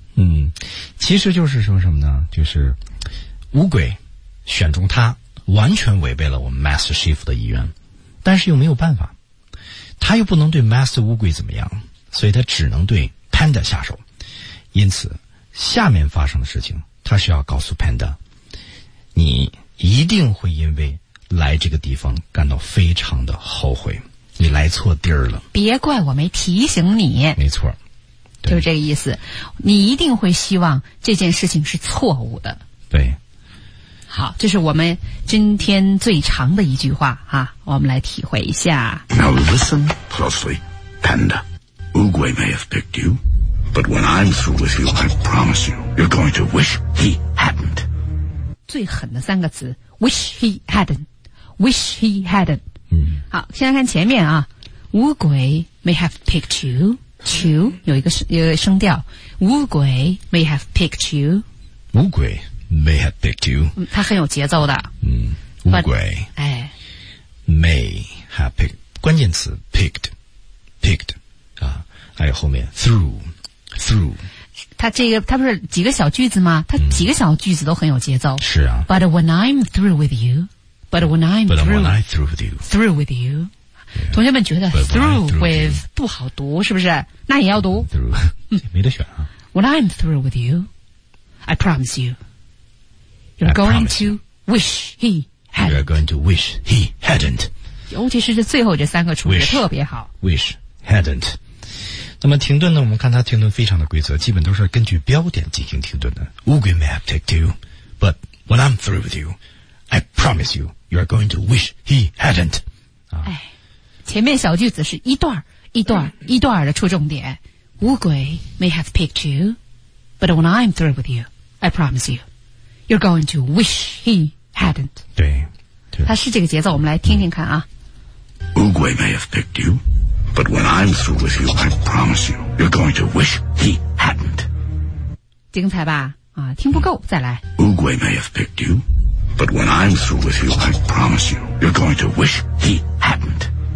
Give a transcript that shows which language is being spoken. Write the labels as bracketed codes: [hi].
[zh] 嗯，其实就是说什么呢，就是乌龟选中他完全违背了我们 Master Chief 的意愿，但是又没有办法，他又不能对 Master 乌龟怎么样，所以他只能对 Panda 下手，因此下面发生的事情他需要告诉 Panda， 你一定会因为来这个地方感到非常的后悔，你来错地儿了，别怪我没提醒你，没错，就是这个意思，你一定会希望这件事情是错误的。对，好，这是我们今天最长的一句话啊，我们来体会一下。 [en] Now listen closely, Panda. Oogway may have picked you, but when I'm through with you, I promise you, you're going to wish he hadn't. [zh] 最狠的三个词 [en] ，wish he hadn't, wish he hadn't。嗯， [zh] 好，现在看前面啊 ， [en] Oogway may have picked you。 To [zh] 有一个声调， [en] 乌龟 may have picked you，乌龟 may have picked you， [zh] 它很有节奏的，嗯，乌龟 [en] But, 哎 may have picked， [zh] 关键词 [en] picked picked [zh] 啊，还有后面 [en] through through， [zh] 它这个它不是几个小句子吗？它几个小句子都很有节奏，是啊 [en] ，But when I'm through with you， but when I'm through with you， through with you。 Yeah, [zh] 同学们觉得 through with 不好读是不是？那也要读。 Through 没得选啊。 [en] When I'm through with you, I promise you, you're going to wish he hadn't. You're going to wish he hadn't. [zh] 尤其是这最后这三个处理特别好。 [en] Wish hadn't. [zh] 那么停顿呢？我们看它停顿非常的规则，基本都是根据标点进行停顿的。 [en] 乌龟 may have picked you, but when I'm through with you, I promise you, you're going to wish he hadn't. 哎。 [zh] 前面小句子是一段一段一段的出重点。 [en] 乌龟 may have picked you, but when I'm through with you, I promise you, you're going to wish he hadn't. [zh] 对，它是这个节奏，我们来听听看啊。 [en] 乌龟 may have picked you, but when I'm through with you, I promise you, you're going to wish he hadn't. [zh] 精彩吧？啊，听不够，再来。 [en] 乌龟 may have picked you, but when I'm through with you, I promise you, you're going to wish he hadn't.